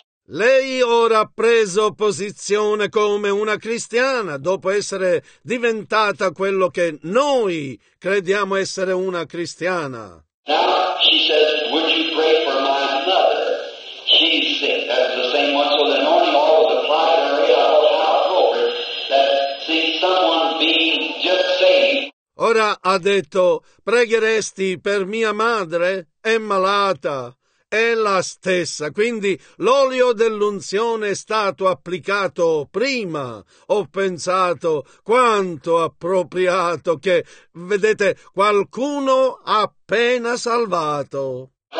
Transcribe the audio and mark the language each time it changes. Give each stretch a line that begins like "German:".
Italian: Lei ora ha preso posizione come una cristiana, dopo essere diventata quello che noi crediamo essere una cristiana.
English: Now, she says, would you pray for my mother? She's sick, that's the same one. So the anointing always applied and realized how appropriate that see someone being just saved.
Italian: Ora ha detto, pregheresti per mia madre? È malata. È la stessa, quindi l'olio dell'unzione è stato applicato prima. Ho pensato quanto appropriato che, vedete, qualcuno appena salvato.